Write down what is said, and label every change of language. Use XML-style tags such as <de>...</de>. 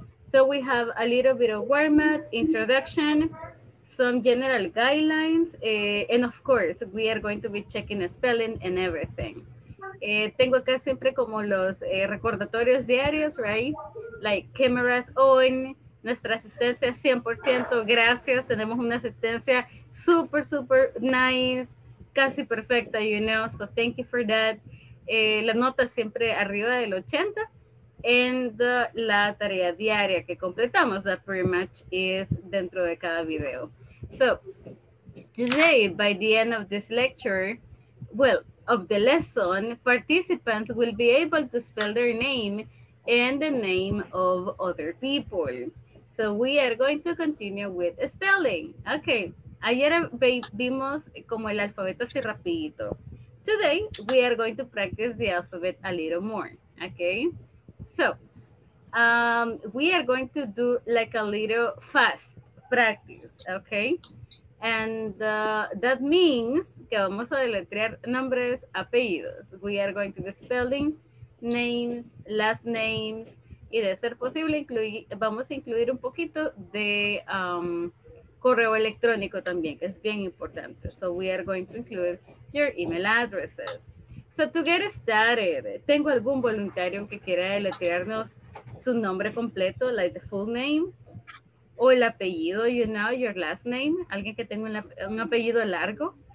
<en>So we have a little bit of warm-up, introduction, some general guidelines, and of course, we are going to be checking the spelling and everything.</en> <es>Tengo acá siempre como los recordatorios diarios, right?</es> <en>Like cameras on.</en> <es>Nuestra asistencia 100%, gracias. Tenemos una asistencia super, super nice, casi perfecta,</es> <en>you know. So thank you for that.</en> <es>La nota siempre arriba del 80. And la tarea diaria que completamos,</es> <en>that pretty much is</en> <es>dentro de cada video.</es> <en>So today, by the end of this lecture, well, of the lesson, participants will be able to spell their name and the name of other people. So we are going to continue with spelling.</en> <es>Okay, ayer vimos como el alfabeto así rapidito.</es> <en>Today, we are going to practice the alphabet a little more, okay? So, we are going to do like a little fast practice, okay? And that means</en> <es>que vamos a deletrear nombres, apellidos.</es> <en>We are going to be spelling names, last names,</en> <es>y de ser posible, vamos a incluir un poquito de correo electrónico también, que es bien importante.</es> <en>So we are going to include your email addresses. So to get started,</en> <es>¿tengo algún voluntario que quiera deletrearnos su nombre completo,</es> <en>like the full name?</en> <es>O el apellido,</es> <en>you know, your last name.</en> <es>¿Alguien que tenga un apellido largo?</es>